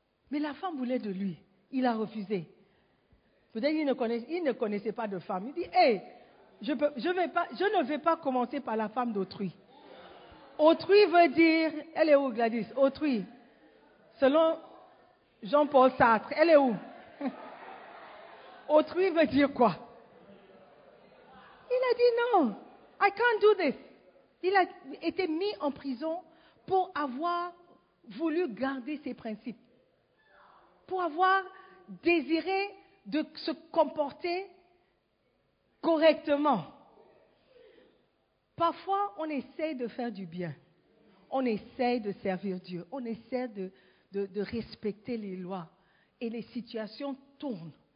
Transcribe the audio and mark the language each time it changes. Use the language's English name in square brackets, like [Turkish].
[French] Mais la femme voulait de lui, il a refusé. Peut-être qu'il ne connaissait pas de femme. Il dit, je ne vais pas commencer par la femme d'autrui. Autrui veut dire, elle est où Gladys? Autrui, selon Jean-Paul Sartre, elle est où? Autrui veut dire quoi? Il a dit non, [English] I can't do this. [French] Il a été mis en prison pour avoir voulu garder ses principes, pour avoir désiré de se comporter correctement. Parfois, on essaie de faire du bien, on essaie de servir Dieu, on essaie de respecter les lois et les situations tournent.